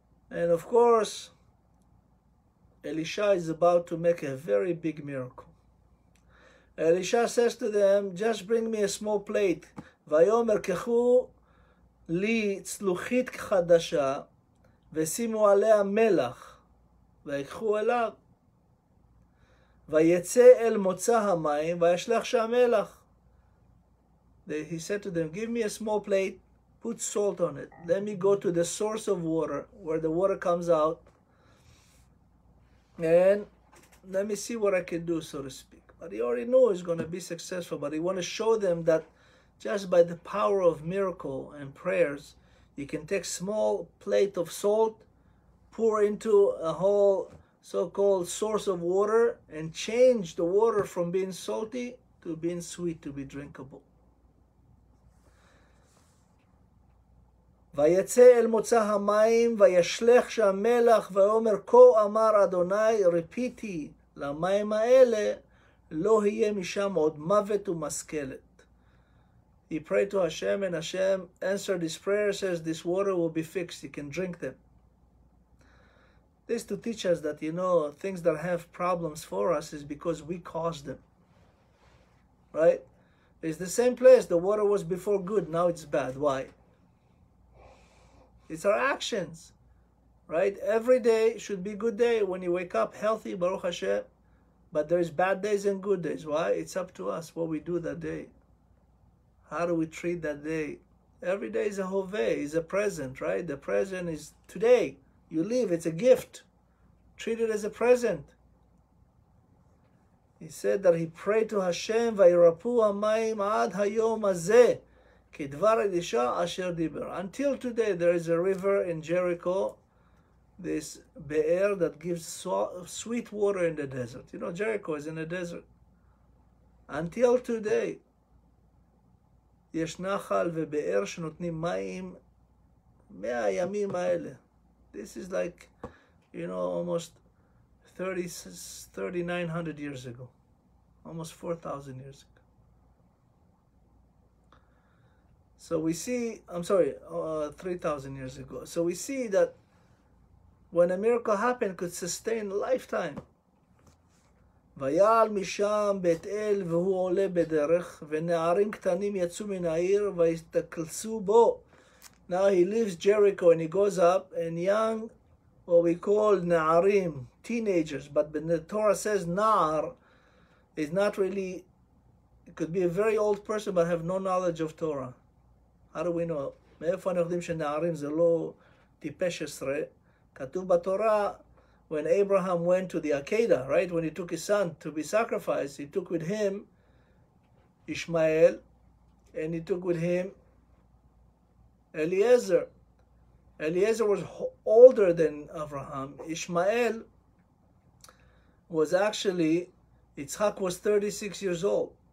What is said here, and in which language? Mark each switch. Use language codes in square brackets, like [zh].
[en] And of course, Elisha is about to make a very big miracle. Elisha says to them, just bring me a small plate. [he] ויאמר קחו לי צלוחית חדשה ושימו עליה מלח ויקחו אליו. ויצא אל מוצא המים וישלח שם מלח. [en] He said to them, give me a small plate, put salt on it. Let me go to the source of water, where the water comes out. And let me see what I can do, so to speak. But he already knew he's going to be successful. But he wanted to show them that just by the power of miracle and prayers, you can take small plate of salt, pour into a whole so-called source of water, and change the water from being salty to being sweet, to be drinkable. [he] ויצא אל מוצא המים וישלח שם מלח ואומר כה אמר אדוני רפיתי למים האלה לא יהיה משם עוד מוות ומסכלת. [en] He prayed to Hashem and Hashem answered his prayer, says this water will be fixed, you can drink them. This to teach us that, you know, things that have problems for us is because we cause them, right? It's the same place, the water was before good, now it's bad. Why? It's our actions, right? Every day should be a good day when you wake up healthy, Baruch Hashem. But there is bad days and good days. Why? It's up to us what we do that day. How do we treat that day? Every day is a hove, is a present, right? The present is today. You live, it's a gift. Treat it as a present. He said that he prayed to Hashem, [he] וירפו המים עד היום הזה. כדבר אלישע אשר דיבר. [en] Until today, there is a river in Jericho, this be'er that gives sweet water in the desert. You know, Jericho is in the desert. Until today, [he] יש נחל ובאר שנותנים מים מהימים האלה. [en] This is like, you know, almost 3,900 years ago. Almost 4,000 years ago. So we see, I'm sorry, 3,000 years ago. So we see that when a miracle happened, it could sustain a lifetime. [he] ויעל משם בית אל והוא עולה בדרך, ונערים קטנים יצאו מן העיר והתקלסו בו. [en] Now he leaves Jericho and he goes up, and young, what we call נערים, teenagers, but when the Torah says נער, is not really, it could be a very old person but have no knowledge of Torah. How do we know? [he] מאיפה אנחנו יודעים שנערים זה לא טיפש עשרה? כתוב בתורה, [en] when Abraham went to the Akedah, right? When he took his son to be sacrificed, he took with him Ishmael, and he took with him Eliezer. Eliezer was older than Abraham. Ishmael was actually, Yitzhak was 36 years old.